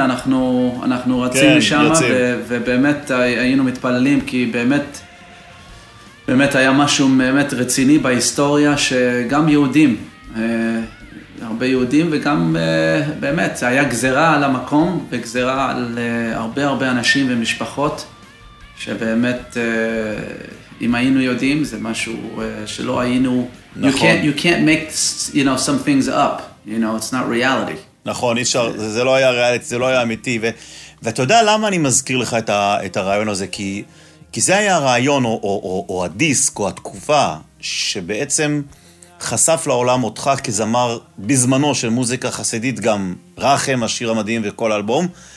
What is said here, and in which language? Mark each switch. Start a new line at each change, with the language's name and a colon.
Hebrew: אנחנו רצים לשם, ובאמת היינו מתפללים, כי באמת היה משהו באמת רציני בהיסטוריה, שגם יהודים, הרבה יהודים, וגם באמת, היה גזרה על המקום, וגזרה על הרבה הרבה אנשים ומשפחות, שבאמת, אם היינו יודעים, זה משהו שלא היינו... נכון.
English: You can't make, you know, some things up. You know, it's not reality.
Hebrew: נכון, אישר, זה לא היה ריאליטי, זה לא היה אמיתי. ואתה יודע למה אני מזכיר לך את הרעיון הזה? כי זה היה הרעיון, או הדיסק, או התקופה, שבעצם חשף לעולם אותך כזמר בזמנו של מוזיקה חסידית, גם רחם, השיר המדהים וכל אלבום.